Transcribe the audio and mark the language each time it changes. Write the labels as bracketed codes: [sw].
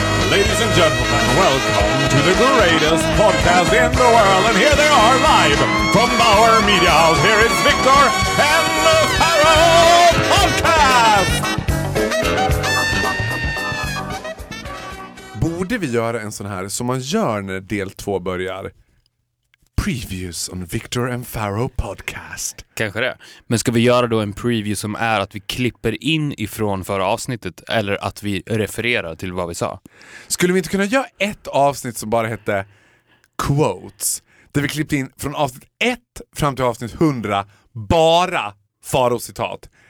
[en] Ladies and gentlemen, welcome to the greatest podcast in the world. And here they are live from Bauer Media House. Here is Victor and the Pharaoh Podcast! [sv] Borde vi göra en sån här som man gör när del två börjar? [en] Previews on Victor and Pharaoh Podcast. [sv] Kanske det. Men ska vi göra då en preview som är att vi klipper in ifrån förra avsnittet eller att vi refererar till vad vi sa? Skulle vi inte kunna göra ett avsnitt som bara hette Quotes? Där vi klippte in från avsnitt 1 fram till avsnitt 100 bara farocitat.